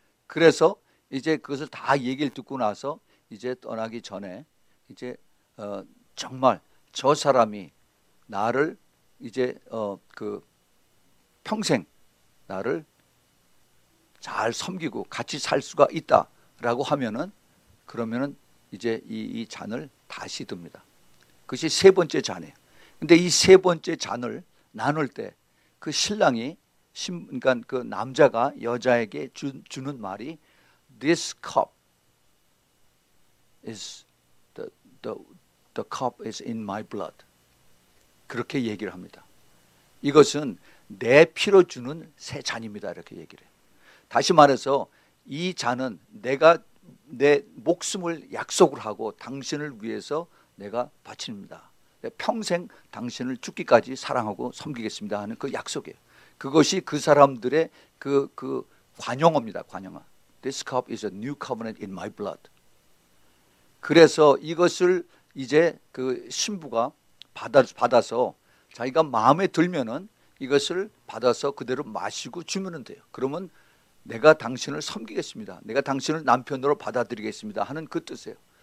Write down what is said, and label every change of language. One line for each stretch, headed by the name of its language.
Korean: 그래서 이제 그것을 다 얘기를 듣고 나서 이제 떠나기 전에 이제 정말 저 사람이 나를 이제 그 평생 나를 잘 섬기고 같이 살 수가 있다라고 하면은, 그러면은 이제 이 잔을 다시 듭니다. 그것이 세 번째 잔이에요. 근데 이 세 번째 잔을 나눌 때 그 신랑이 그러니까 그 남자가 여자에게 주는 말이
English: This cup is the cup is in my blood.
Korean: 그렇게 얘기를 합니다. 이것은 내 피로 주는 새 잔입니다. 이렇게 얘기를 해요. 다시 말해서 이 잔은 내가 내 목숨을 약속을 하고 당신을 위해서 내가 바칩니다. 내 평생 당신을 죽기까지 사랑하고 섬기겠습니다 하는 그 약속이에요. 그것이 그 사람들의 그 관용어입니다. 관용어.
English: This cup is a new covenant in my blood.
Korean: 그래서 이것을 이제 그 신부가 받아서 자기가 마음에 들면은 이것을 받아서 그대로 마시고 주면은 돼요. 그러면 내가 당신을 섬기겠습니다. 내가 당신을 남편으로 받아들이겠습니다 하는 그 뜻이에요.